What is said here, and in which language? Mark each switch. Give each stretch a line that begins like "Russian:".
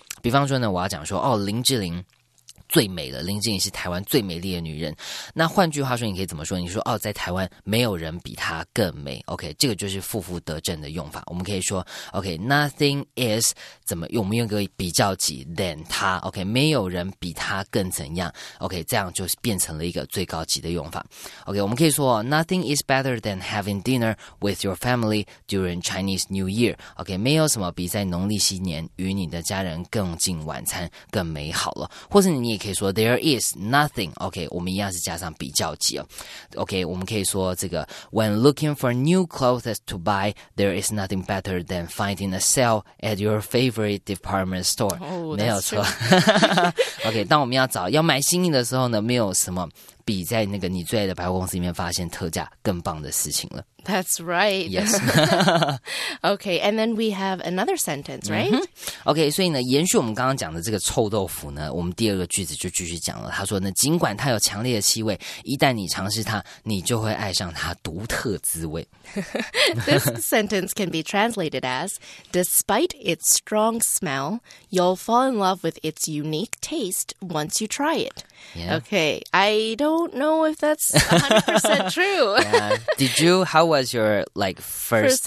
Chinese: 比方说呢，我要讲说哦，林志玲。最美的林志颖是台湾最美丽的女人，那换句话说你可以怎么说，你说哦，在台湾没有人比她更美。 OK， 这个就是负负得正的用法。我们可以说 OK， nothing is 怎么用，我们用个比较级 than 她。 OK， 没有人比她更怎样。OK， 这样就变成了一个最高级的用法。
English: OK，
Chinese: 我们可以说
English: nothing is better than having dinner with your family during Chinese New Year。
Chinese: OK， 没有什么比在农历新年与你的家人共进晚餐更美好了。或是你也可以说
English: there is nothing。
Chinese: OK， 我们一样是加上比较级哦。
English: OK，
Chinese: 我们可以说这个
English: when looking for new clothes to buy there is nothing better than finding a sale at your favorite department store。
Chinese: 没有错。 OK， 当我们要买新衣的时候呢，没有什么比在那个你最爱的百货公司里面发现特价更棒的事情了。
English: That's right. Yes. Okay, and then we have another sentence, right?、 Mm-hmm.
Chinese: Okay, 所以呢，延续我们刚刚讲的这个臭豆腐呢，我们第二个句子就继续讲了。他说呢，尽管它有强烈的气味，一旦你尝试它，你就会爱上它独特滋味。
English: This sentence can be translated as, despite its strong smell, you'll fall in love with its unique taste once you try it.、 Yeah. Okay, I don't know if that's 100% true. Yeah. Did you... How was your, like, first